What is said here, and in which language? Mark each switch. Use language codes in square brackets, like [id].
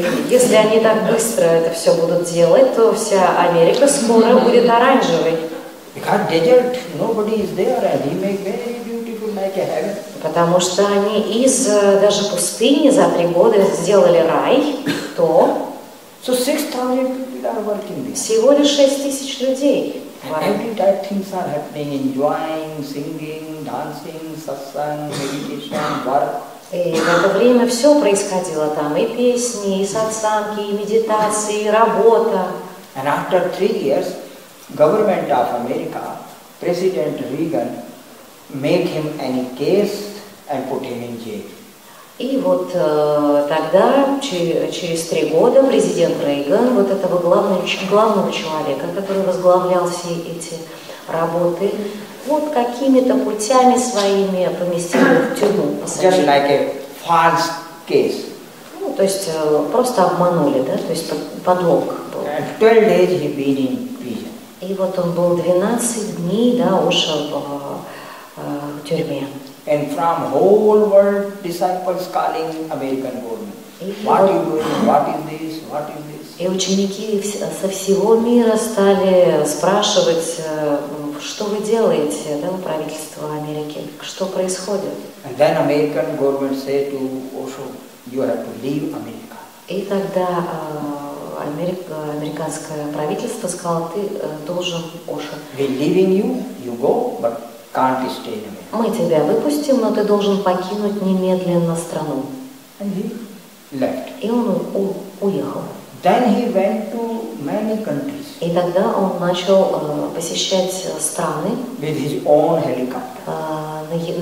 [ru] Если они так быстро это все будут делать, то вся Америка скоро будет оранжевой. [en] Because desert, nobody is there, and he make very beautiful like a heaven. [ru] Потому что они из даже пустыни за 3 года сделали рай, то. [en] So 6,000 people are working there. [ru] Всего лишь 6000 людей. [en] And every type things are happening, enjoying, singing, dancing, satsang, meditation, work. [ru] И в это время все происходило там, и песни, и сатсанги, и медитации, и работа. [en] And after 3 years, government of America, President Reagan, make him any case and put him in jail. [ru] И вот тогда, через 3 года, президент Рейган, вот этого главного человека, который возглавлял все эти работы, вот какими-то путями своими поместил в тюрьму. [en] Just like a false case. [ru] Ну, то есть просто обманули, да? То есть подлог был. [en] And 12 days he been in prison. [ru] И вот он был 12 дней, да, ушел в тюрьме. [en] And from whole world disciples calling American government. What you doing? What is this? What is this? [ru] И ученики со всего мира стали спрашивать, что вы делаете, да, у правительства Америки, что происходит. [en] And then American government said to Osho, you have to leave America. [ru] И тогда американское правительство сказало, ты должен, Osho. [en] We're leaving you, you go, but can't stay in America. [ru] Мы тебя выпустим, но ты должен покинуть немедленно страну. [en] And he left. [ru] И он уехал. [en] Then he went to many countries. [ru] И тогда он начал посещать страны. [en] With his own helicopter.